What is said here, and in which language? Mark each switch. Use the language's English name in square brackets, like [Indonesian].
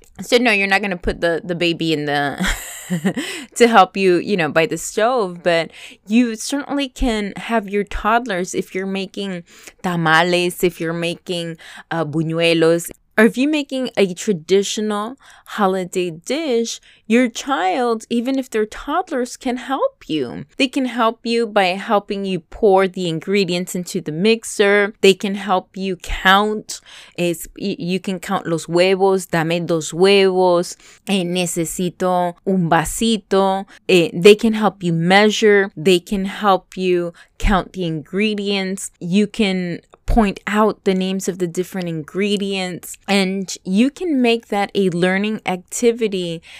[English] So no, you're not going to put the baby in the to help you, you know, by the stove, but you certainly can have your toddlers, if you're making tamales, if you're making buñuelos, or if you're making a traditional holiday dish, your child, even if they're toddlers, can help you. They can help you by helping you pour the ingredients into the mixer. They can help you count. You can count [Spanish] los huevos. Dame dos huevos. Necesito un vasito. [English] They can help you measure. They can help you count the ingredients. You can point out the names of the different ingredients, and you can make that a learning activity.